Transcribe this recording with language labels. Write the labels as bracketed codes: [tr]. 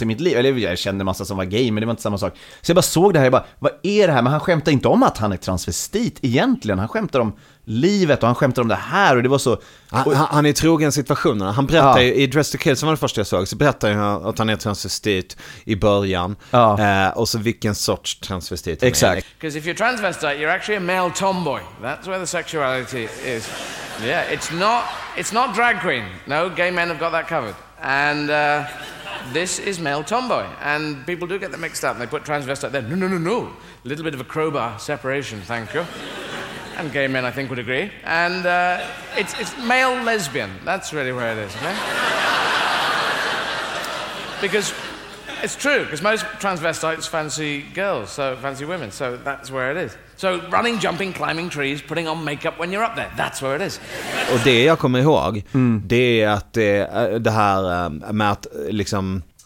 [sv] Nej. I mitt liv, eller jag kände massa som var gay, men det var inte samma sak. Så jag bara såg det här, jag bara, vad är det här? Men han skämtade inte om att han är transvestit egentligen, han skämtade om livet och han skämtade om det här, och det var så, han är trogen situationen. Han berättar ju i Dress to Kill, som var det första jag såg, så berättar han att han är transvestit i början. Och så vilken sorts transvestit. Exakt. [en] Because if you're transvestite, you're actually a male tomboy. That's where the sexuality is. Yeah, it's not drag queen. No, gay men have got that covered. And this is male tomboy, and people do get them mixed up. They put transvestite there. No. A little bit of a crowbar separation, thank you. And gay men, I think, would agree. And it's male lesbian. That's really where it is, okay? Because it's true, because most transvestites fancy girls, so fancy women, so that's where it is. So running, jumping, climbing trees, putting on makeup when you're up there. That's where it is. [sv] Och det jag kommer ihåg, det är att det här med att liksom...